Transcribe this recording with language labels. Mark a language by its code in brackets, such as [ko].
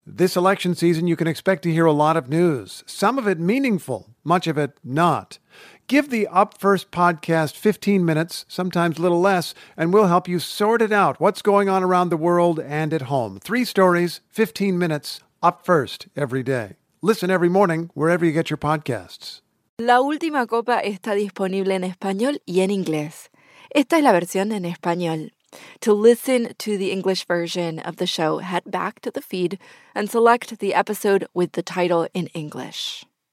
[en] This election season, you can expect to hear a lot of news, some of it meaningful, much of it not. Give the Up First podcast 15 minutes, sometimes a little less, and we'll help you sort it out, what's going on around the world and at home. Three stories, 15 minutes, Up First, every day. Listen every morning, wherever you get your podcasts. [es] La última copa está disponible en español y en inglés. Esta es la versión en español. [en] To listen to the English version of the show, head back to the feed and select the episode with the title in English.